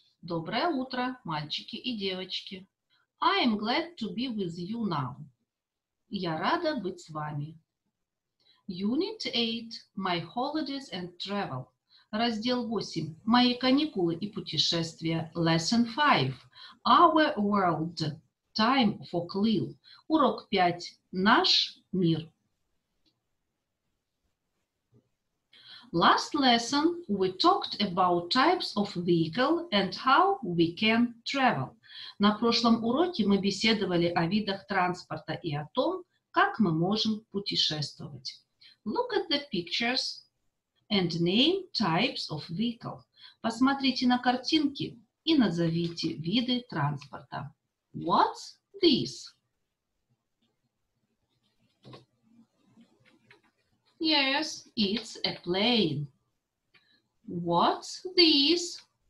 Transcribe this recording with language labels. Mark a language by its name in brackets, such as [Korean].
[Russian] Доброе утро, мальчики и девочки. [English] I am glad to be with you now. [Russian] Я рада быть с вами. [English] Unit 8. My holidays and travel. [Russian] Раздел 8. Мои каникулы и путешествия. [English] Lesson 5. Our world. Time for Khalil. [Russian] Урок 5. Наш мир. [English] Last lesson we talked about types of vehicle and how we can travel. [Russian] На прошлом уроке мы беседовали о видах транспорта и о том, как мы можем путешествовать. [English] Look at the pictures and name types of vehicle. [Russian] Посмотрите на картинки и назовите виды транспорта. [English] What's this? Yes, it's a plane. What's this?